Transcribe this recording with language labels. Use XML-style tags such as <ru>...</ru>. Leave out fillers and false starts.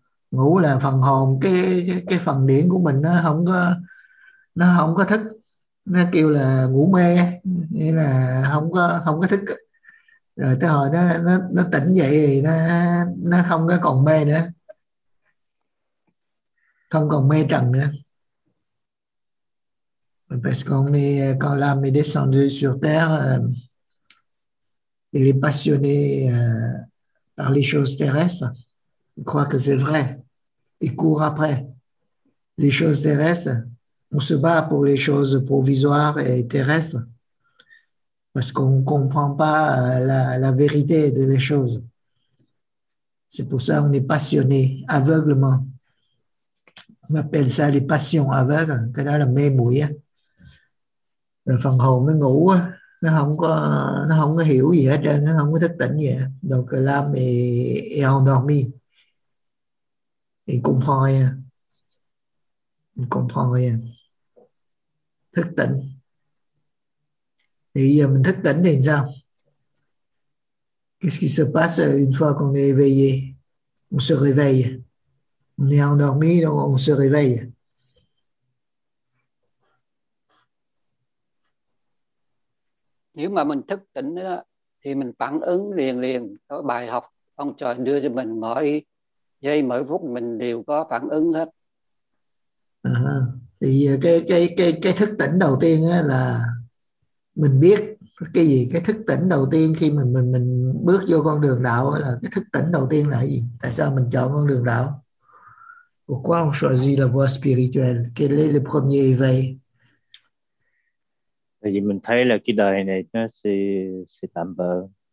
<vi>Ngủ là phần hồn, cái phần điển của mình nó không có thức. Nó kêu là ngủ mê, nghĩa là không có thức. Rồi tới hồi nó tỉnh dậy thì nó không có còn mê nữa, không còn mê trần nữa.</vi> <fr>Parce qu'on est, quand l'âme est descendue sur terre, il est passionné par les choses terrestres. Il croit que c'est vrai. Il court après les choses terrestres. On se bat pour les choses provisoires et terrestres parce qu'on ne comprend pas la vérité de les choses. C'est pour ça qu'on est passionné aveuglement. On appelle ça les passions aveugles. C'est là la même mouille.</fr> <vi>rồi phần hồn nó ngủ á, nó không có hiểu gì hết trơn, nó không có thức tỉnh gì hết. Đồ cờ lam thì eo thì cũng thôi à. Cũng thôi à. Thức tỉnh thì giờ mình thức tỉnh thì sao?</vi> <fr>Qu'est-ce qui se passe une fois qu'on est éveillé? On se réveille. On est endormi, donc on se réveille.</fr> <vi>Nếu mà mình thức tỉnh đó, thì mình phản ứng liền liền. Có bài học ông trời đưa cho mình mỗi giây mỗi phút mình đều có phản ứng hết. Thì cái thức tỉnh đầu tiên là mình biết cái gì? Cái thức tỉnh đầu tiên khi mình bước vô con đường đạo là cái thức tỉnh đầu tiên là gì? Tại sao mình chọn con đường đạo?</vi> <fr>Pourquoi on choisit la voie spirituelle? Quel est le premier éveil?</fr> <vi>Tại vì mình thấy là cái đời này nó</vi> <fr>c'est un peu.</fr>